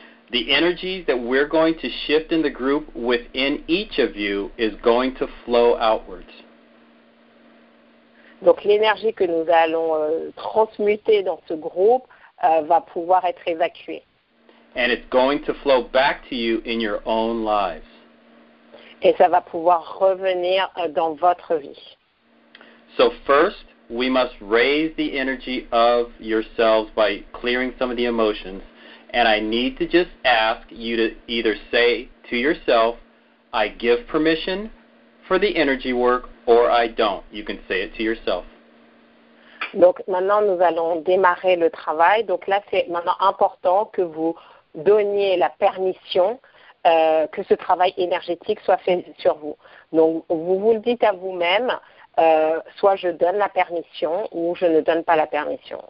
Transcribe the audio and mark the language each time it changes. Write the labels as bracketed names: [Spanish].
[English] The energies that we're going to shift in the group within each of you is going to flow outwards. [French] Donc l'énergie que nous allons transmuter dans ce groupe va pouvoir être évacuée. [English] And it's going to flow back to you in your own lives. [French] Et ça va pouvoir revenir dans votre vie. [English] So first, we must raise the energy of yourselves by clearing some of the emotions. And I need to just ask you to either say to yourself, I give permission for the energy work, or I don't. You can say it to yourself. [French] Donc maintenant, nous allons démarrer le travail. Donc là, c'est maintenant important que vous donniez la permission que ce travail énergétique soit fait sur vous. Donc, vous vous le dites à vous-même, soit je donne la permission ou je ne donne pas la permission.